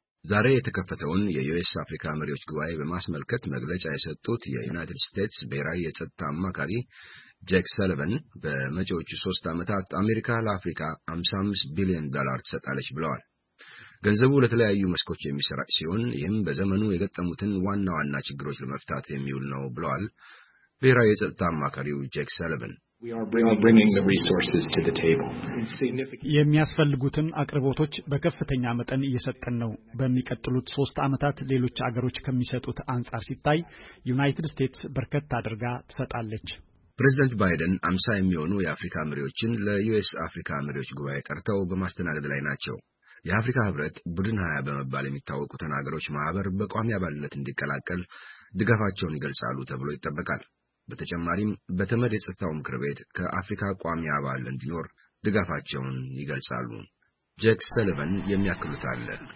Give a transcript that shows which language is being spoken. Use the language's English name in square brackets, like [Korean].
[Amharic] ዛሬ የተከፈተውን የዩኤስ አፍሪካ መሪዎች ጉባኤ በማስመልከት መግለጫ የሰጡት የዩናይትድ ስቴትስ ብሔራዊ የጸጥታ አማካሪ ጄክ ሰልቨን በመጪዎቹ 3 ዓመታት አሜሪካ ለአፍሪካ 55 ቢሊዮን ዶላር ትሰጣለች ብለዋል። ገንዘቡ ለተለያዩ መስኮች የሚሰራጭ ሲሆን ይህም በዘመኑ የገጠሙትን ዋና ዋና ችግሮች ለመፍታት የሚውል ነው ብለዋል ብሔራዊ የጸጥታ አማካሪው ጄክ ሰልቨን። [English] We are bringing the resources to the table. [Amharic] የሚያስፈልጉትን አቅርቦቶች በከፍተኛ መጠን እየሰጠን ነው። በሚቀጥሉት 3 ዓመታት ሌሎች አገሮች ከሚሰጡት አንጻር ሲታይ ዩናይትድ ስቴትስ በርከት አድርጋ ትሰጣለች። ፕሬዚደንት ባይደን 50 የሚሆኑ የአፍሪካ መሪዎችን ለዩኤስ አፍሪካ መሪዎች ጉባኤ ጠርተው በማስተናገድ ላይ ናቸው። የአፍሪካ ህብረት ቡድን 20 በመባል የሚታወቁት አገሮች ማህበር በቋሚ አባልነት እንዲቀላቀል ድጋፋቸውን ይገልጻሉ ተብሎ ይጠበቃል። በተጨማሪም በተመድ የጸጥታው ምክር ቤት ከአፍሪካ ቋሚ አባል እንዲኖር ድጋፋቸውን ይገልጻሉ። ጄክ ሰልቨን የሚያክሉት አለ።